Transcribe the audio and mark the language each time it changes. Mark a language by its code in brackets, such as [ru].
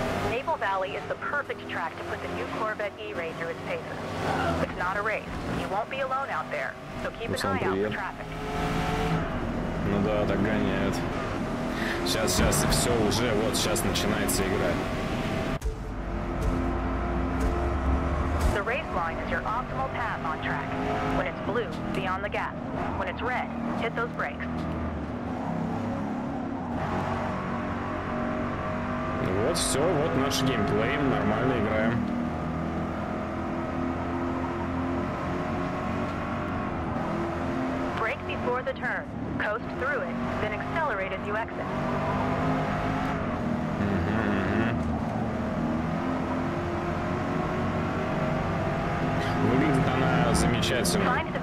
[en] Мейпл Вэлли is the perfect track to put the new Corvette E-Ranger its paces. It's not a race. You won't be alone out there. [ru] Руслан, привет. Ну да, так гоняют. Сейчас, и все уже, вот сейчас начинается игра. [en] The race line is your optimal path on track. When it's blue, be on the gas. When it's red, hit those brakes. [ru] Вот все, вот наш геймплей, нормально играем. [en] Before the turn, coast through it, then accelerate as you exit. [ru] Выглядит она замечательно.